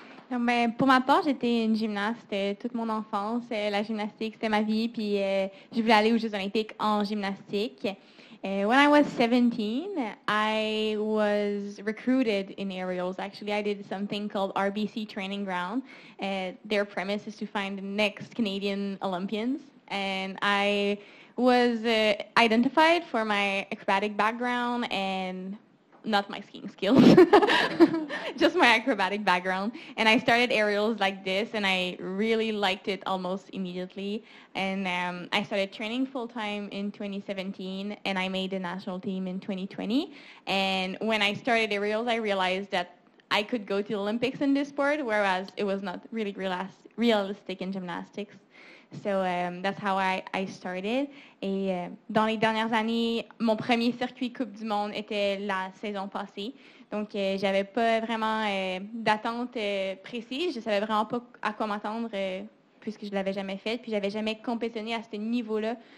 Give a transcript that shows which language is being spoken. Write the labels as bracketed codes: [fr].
[fr] Non, ben, pour ma part, j'étais une gymnaste toute mon enfance. La gymnastique, c'était ma vie, puis je voulais aller aux Jeux olympiques en gymnastique. [en] When I was 17, I was recruited in aerials. Actually, I did something called RBC Training Ground. Their premise is to find the next Canadian Olympians. And I was identified for my acrobatic background and not my skiing skills, just my acrobatic background. And I started aerials like this, and I really liked it almost immediately. And I started training full-time in 2017, and I made the national team in 2020. And when I started aerials, I realized that I could go to the Olympics in this sport, whereas it was not really realistic in gymnastics. So that's how I started. [fr] Et dans les dernières années, mon premier circuit Coupe du Monde était la saison passée. Donc, j'avais pas vraiment d'attente précise. Je savais vraiment pas à quoi m'attendre puisque je l'avais jamais fait. Puis, j'avais jamais compétitionné à ce niveau-là.